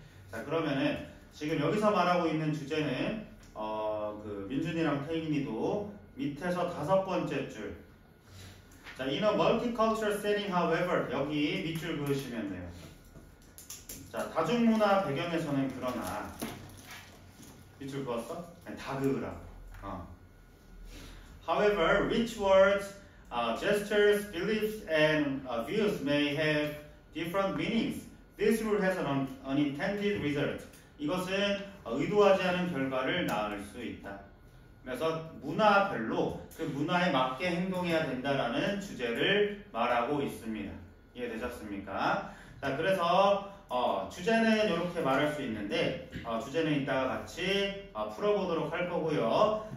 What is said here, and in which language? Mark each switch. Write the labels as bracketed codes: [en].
[ko] 자, 그러면은 지금 여기서 말하고 있는 주제는 그 민준이랑 태인이도 밑에서 다섯 번째 줄. 자, [en] in a multicultural setting, however, [ko] 여기 밑줄 그으시면 돼요. 자, 다중문화 배경에서는 그러나 밑줄 그었어? 다 그으라고. [en] However, which words, gestures, beliefs, and views may have different meanings. This rule has an unintended result. [ko] 이것은 의도하지 않은 결과를 낳을 수 있다. 그래서 문화별로 그 문화에 맞게 행동해야 된다라는 주제를 말하고 있습니다. 이해되셨습니까? 자, 그래서 주제는 이렇게 말할 수 있는데, 주제는 이따가 같이 풀어보도록 할 거고요.